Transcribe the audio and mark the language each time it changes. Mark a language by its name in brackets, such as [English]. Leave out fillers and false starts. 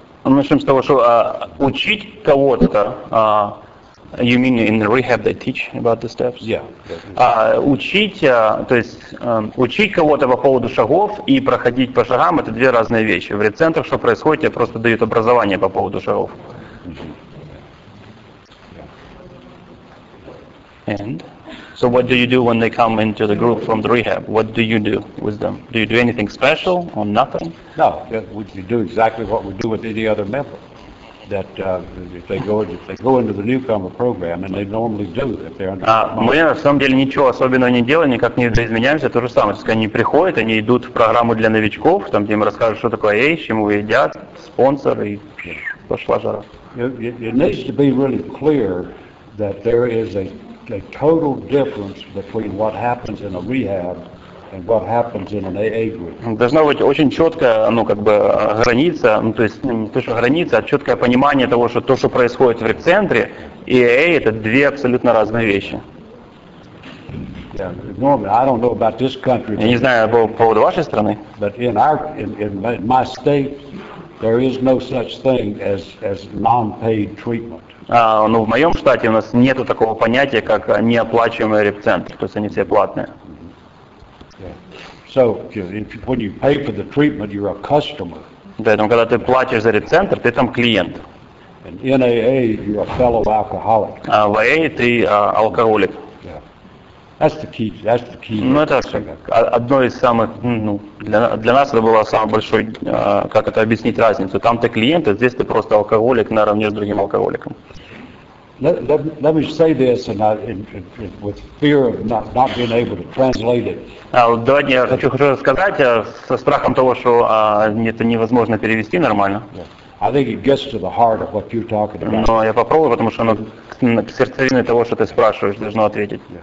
[Russian] Начнем с того, что учить кого-то, [English] you mean in rehab they teach about the steps? Yeah. [Russian] Учить кого-то по поводу шагов и проходить по шагам — это две разные вещи. В реп-центрах что происходит, тебе просто дают образование по поводу шагов. [English] And so what do you do when they come into the group from the rehab? What do you do with them? Do you do anything special or nothing? No, we do exactly what we do with any other member. That if they go into the newcomer program, and they normally do, if they're under. [Russian] Мы на самом деле ничего особенного не делаем, никак не изменяемся, то же самое. Если они приходят, они идут в программу для новичков, там, где им расскажут, что такое AA, с чем вы едят, спонсор, и пошла жара. [English] It needs to be really clear that there is a total difference between what happens in a rehab and what happens in an AA group. [Russian] Должна быть очень четкая, граница, то есть не то, что граница, а четкое понимание того, что то, что происходит в реп-центре и AA, это две абсолютно разные вещи. [English] Yeah, normally I don't know about this country. [Russian] Я не знаю по поводу вашей страны. [English] But in my state there is no such thing as non-paid treatment. [Russian] В моем штате у нас нету такого понятия, как неоплачиваемый реп-центр, то есть они все платные. [English] So when you pay for the treatment, you're a customer. [Russian] Поэтому когда ты платишь за реп-центр, ты там клиент. [English] And in AA, you're a fellow alcoholic. [Russian] В AA ты алкоголик. [English] Yeah. That's the key. [Russian] Одно из самых, для нас это было самое большое, как это объяснить разницу. Там ты клиент, а здесь ты просто алкоголик наравне с другим алкоголиком. [English] Let me say this, and with fear of not being able to translate it. [Russian] Давайте я хочу сказать со страхом того, что это невозможно перевести нормально. [English] I think it gets to the heart of what you're talking about. [Russian] Но я попробую, потому что оно к сердцевине того, что ты спрашиваешь, должно ответить.